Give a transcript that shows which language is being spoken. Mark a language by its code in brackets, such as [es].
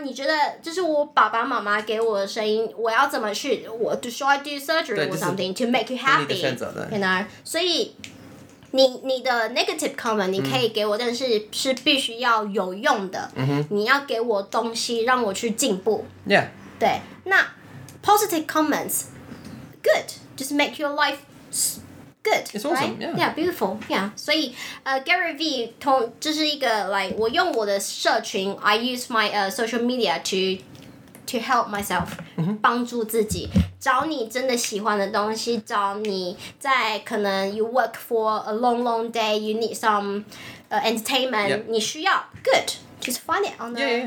[zh] 你觉得这是我爸爸妈妈给我的声音？我要怎么去？ [en] 我 should I do surgery or something to make you happy? You know. So. [zh] 你的 [en] negative comment [zh] 你可以给我，但是必须要有用的。你要给我东西，让我去进步。 [en] Yeah. 对，那 positive comments, good, just make your life good. It's awesome. Right? Yeah, beautiful. Yeah. [zh] 所以Gary V 就是一个 [en] like [zh] 我用我的社群 [en] ，I use my social media to help myself, [zh] 帮助自己，找你真的喜欢的东西，找你在可能 [en] you work for a long, long day, you need some entertainment, [zh] 你需要 [en] good, just find it on the,